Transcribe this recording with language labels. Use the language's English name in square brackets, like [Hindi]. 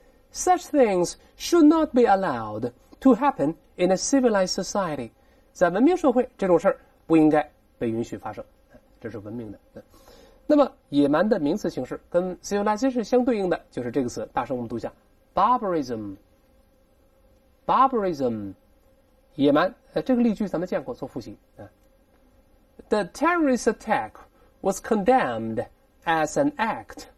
[English] Such things should not be allowed to happen in a civilized society. [Chinese] 在文明社会，这种事儿不应该被允许发生。这是文明的。那么，野蛮的名词形式跟 civilization 相对应的就是这个词。大声我们读一下 ：barbarism。barbarism， 野蛮。这个例句咱们见过，做复习。 [English] The terrorist attack was condemned as an act.